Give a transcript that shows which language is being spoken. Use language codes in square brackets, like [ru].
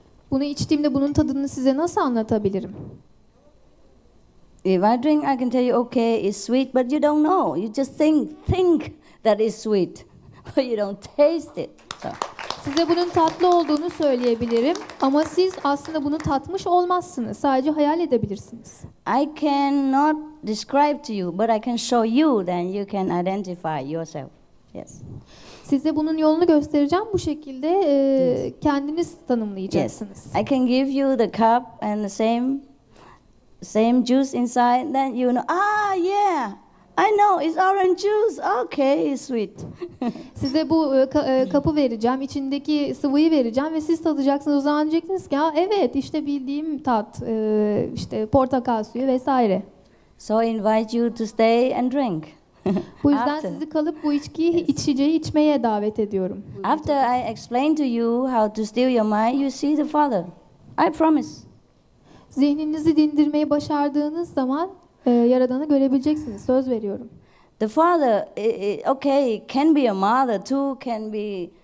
[tr] Bunu içtiğimde bunun tadını size nasıl anlatabilirim? [en] If I drink, I can tell you, okay, it's sweet, but you don't know. You just think that it's sweet, but you don't taste it. So. [tr] Size bunun tatlı olduğunu söyleyebilirim, ama siz aslında bunu tatmış olmazsınız. Sadece hayal edebilirsiniz. [en] I cannot describe to you, but I can show you, then you can identify yourself. Yes. [tr] Size bunun yolunu göstereceğim. Bu şekilde kendiniz tanımlayacaksınız. [en] Yes. I can give you the cup and the same juice inside, then you know, ah yeah, I know it's orange juice. Okay, sweet. [tr] Size bu kapı vereceğim, içindeki sıvıyı vereceğim ve siz tadacaksınız. O zaman diyeceksiniz ki, evet, işte bildiğim tat, işte portakal suyu vesaire. [en] So I invite you to stay and drink. [tr] Bu yüzden [en] after. [tr] Sizi kalıp bu içkiyi içeceği içmeye davet ediyorum. [en] After I explain to you how to steal your mind, you see the father. I promise. [tr] Zihninizi dindirmeyi başardığınız zaman Yaradan'ı görebileceksiniz. Söz veriyorum. [en] The father, okay, can be a mother too, can be...